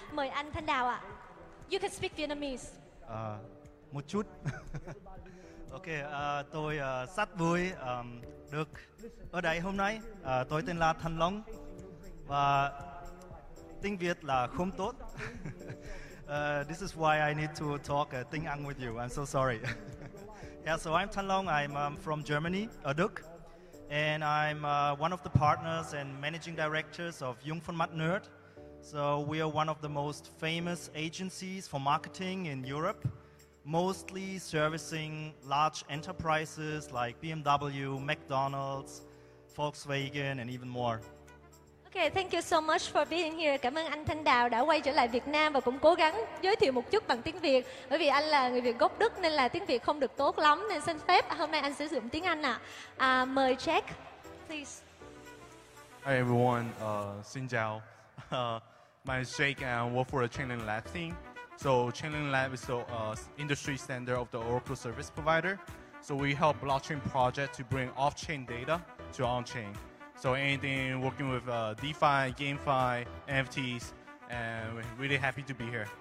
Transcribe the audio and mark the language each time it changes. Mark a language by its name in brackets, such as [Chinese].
[Vietnamese] Mời anh Thanh Dao ạ. [English] You can speak Vietnamese. [Vietnamese] Một chút. Okay, tôi rất vui được ở đây hôm nay. Tôi tên là Thanh Long và tiếng Việt là không tốt. [English] This is why I need to talk [Vietnamese] tiếng Anh [English] with you. I'm so sorry. Yeah, so I'm Thanh Long. I'm from Germany, Đức, and I'm one of the partners and managing directors of Jung Von Matt Nerd. So we are one of the most famous agencies for marketing in Europe, mostly servicing large enterprises like BMW, McDonald's, Volkswagen, and even more. Okay, thank you so much for being here. [Vietnamese] Cảm ơn anh Thanh Dao đã quay trở lại Việt Nam và cũng cố gắng giới thiệu một chút bằng tiếng Việt. Bởi vì anh là người Việt gốc Đức nên là tiếng Việt không được tốt lắm nên xin phép hôm nay anh sử dụng tiếng Anh ạ. Mời Jack, [English] please. Hi everyone, [Vietnamese] xin chào. [English] My name is Jake and I work for the Chainlink Lab team. So Chainlink Lab is the industry standard of the Oracle service provider. So we help blockchain projects to bring off-chain data to on-chain. So anything working with DeFi, GameFi, NFTs, and we're really happy to be here.